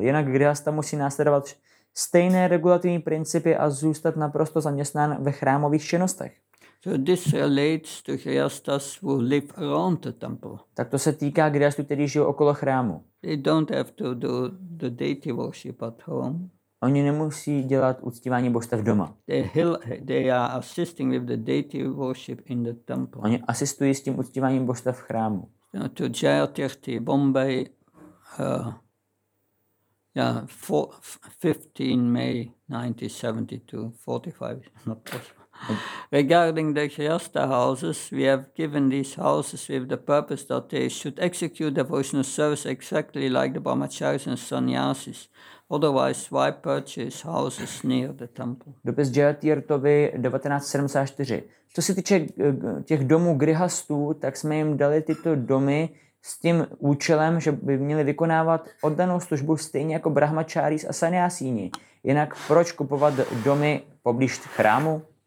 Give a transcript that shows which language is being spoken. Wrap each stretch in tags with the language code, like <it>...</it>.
<cs>Jinak grihasta musí následovat stejné regulativní principy a zůstat naprosto zaměstnán ve chrámových činnostech.</cs> <en>So this relates to Kriyastas who live around the temple.</en> <cs>Tak to se týká Kriyastů, kteří žijí okolo chrámu.</cs> <en>They don't have to do the deity worship at home.</en> <cs>Oni nemusí dělat uctívání božstev doma.</cs> <en>They are assisting with the deity worship in the temple.</en> <cs>Oni asistují s tím uctíváním božstev v chrámu.</cs> <en>Now to Jayatirthi, Bombay, 15 May 1972, 45 is not possible. Regarding the Kriyastha houses, we have given these houses with the purpose that they should execute devotional service exactly like the Brahmacharis and Sannyasis. Otherwise, why purchase houses near the temple?</en> <cs>Dopis Jayatirthovi 1974. Co se týče těch domů Grihastů, tak jsme jim dali tyto domy s tím účelem, že by měli vykonávat oddanou službu stejně jako brahmacharis a sanyasíni. Jinak proč kupovat domy poblíž chrámu?</cs>